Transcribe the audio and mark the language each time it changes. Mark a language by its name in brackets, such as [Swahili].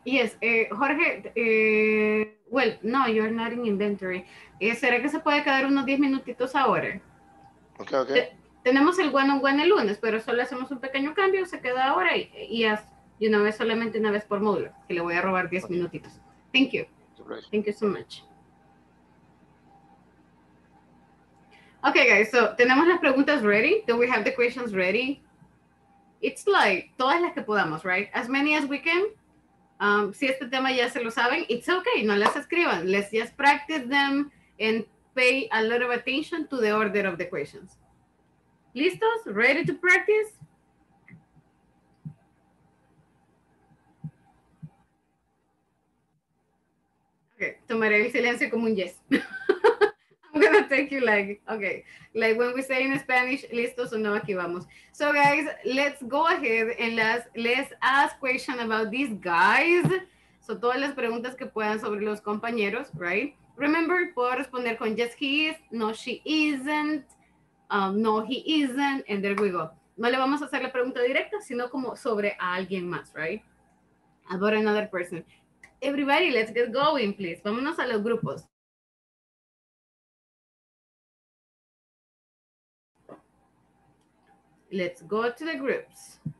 [English] Yes, Jorge, well, no, you're not in inventory. [Spanish] ¿Será que se puede quedar unos 10 minutitos ahora? [English] Ok. [Spanish] Tenemos el one-on-one el lunes, pero solo hacemos un pequeño cambio, se queda ahora y es, [English] you know, [Spanish] es solamente una vez por módulo, que le voy a robar 10 minutitos. [English] Thank you. Thank you so much. Okay, guys, so [Spanish] tenemos las preguntas [English] ready. Do we have the questions ready? It's like [Spanish] todas las que podamos, [English] right? As many as we can. [Spanish] Si este tema ya se lo saben, [English] it's okay. [Spanish] No las escriban. [English] Let's just practice them and pay a lot of attention to the order of the questions. [Spanish] ¿Listos? [English] ¿Ready to practice? Okay, [Spanish] tomaré el silencio como un [English] yes. I'm gonna take you like, okay. Like when we say in Spanish, [Spanish] listos o no, aquí vamos. [English] So guys, let's go ahead and let's ask questions about these guys. [Spanish] So todas las preguntas que puedan sobre los compañeros, right? [English] Remember, [Spanish] puedo responder con [English] yes, he is, no, she isn't, no, he isn't, and there we go. [Spanish] No le vamos a hacer la pregunta directa, sino como sobre a alguien más, right? [English] About another person. Everybody, let's get going, please. [Spanish] Vámonos a los grupos. [English] Let's go to the groups.